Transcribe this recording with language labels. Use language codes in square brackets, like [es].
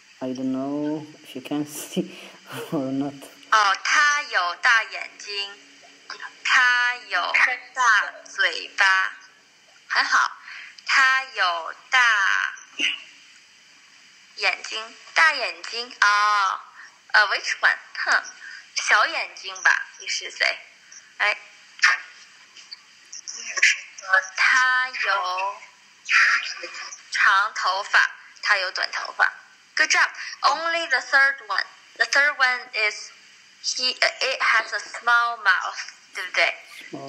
[en] I don't know if you can see or not. [zh] 他有大眼睛，他有大嘴巴，很好。他有大眼睛，大眼睛啊， [en] which one？ [zh] 哼，小眼睛吧，你是谁？哎，他有长头发，他有短头发。 [en] Good job. Only the third one. The third one is it has a small mouth, [zh] 对不对？